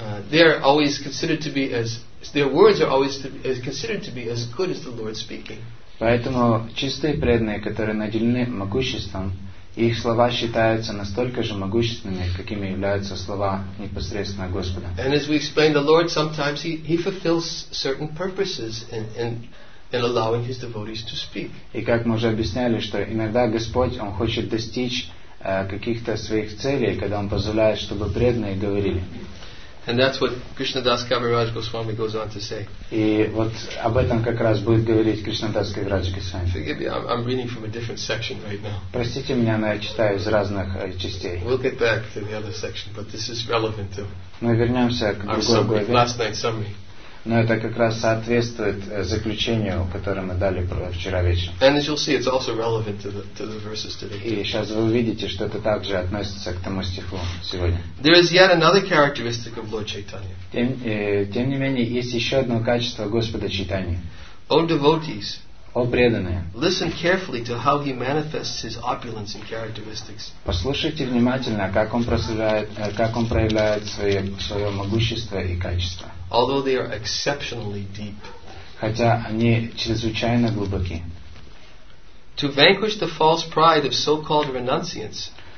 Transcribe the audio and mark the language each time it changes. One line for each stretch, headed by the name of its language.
English: they are always considered to be as their words are always to be, considered to be as good as the Lord speaking.
Russian: Поэтому чистые преданные, которые наделены могуществом, их слова считаются настолько же могущественными, какими являются слова непосредственно Господа.
English: And as we explained, the Lord sometimes he fulfills certain purposes in allowing his devotees to speak.
Russian: И как мы уже объясняли, что иногда Господь, он хочет достичь каких-то своих целей, когда он позволяет, чтобы преданные говорили.
English: And that's what Krishnadas Kaviraj Goswami goes on to say.
Russian: И вот об этом как раз будет говорить Кришнадас Кавирадж Госвами.
English: Forgive me, I'm reading from a different section right now.
Russian: Простите меня, но я читаю из разных частей.
English: We'll get back to the other section, but this is relevant to.
Russian: Мы вернемся к другой главе.
English: Last night summary.
Russian: Но это как раз соответствует заключению, которое мы дали вчера вечером.
English: And as you'll see, it's also relevant to the verses today.
Russian: И сейчас вы увидите, что это также относится к тому стиху сегодня.
English: There is yet another characteristic of Lord Chaitanya.
Russian: Тем не менее, есть еще одно качество Господа Чайтаньи.
English: O devotees,
Russian: о преданные,
English: listen carefully to how he manifests his opulence and characteristics.
Russian: Послушайте внимательно, как он проявляет свое могущество и качество.
English: Although they are exceptionally deep,
Russian: хотя они чрезвычайно глубоки.
English: To vanquish the false pride of so-called renunciants,